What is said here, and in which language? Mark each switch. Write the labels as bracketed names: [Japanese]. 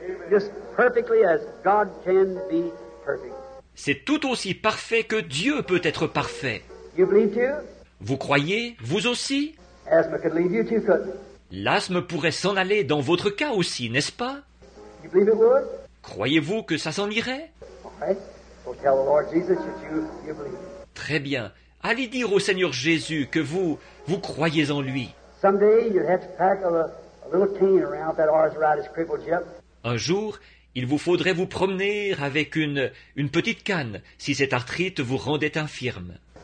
[English] Just perfectly as God can be perfect. [French] C'est tout aussi parfait que Dieu peut être parfait. [English] You believe too? [French] Vous croyez, vous aussi? [English] Asthma could leave you too, couldn't it? [French] L'asthme pourrait s'en aller dans votre cas aussi, n'est-ce pas? [English] You believe it would? [French] Croyez-vous que ça s'en irait? [English] Okay. Well, tell the Lord Jesus that you believe. [French] Très bien. Allez dire au Seigneur Jésus que vous croyez en lui. [English] Someday you'd have to pack a little cane around that arthritis crippled jip. [French] Un jour, il vous faudrait vous promener avec une petite canne si cette arthrite vous rendait infirme.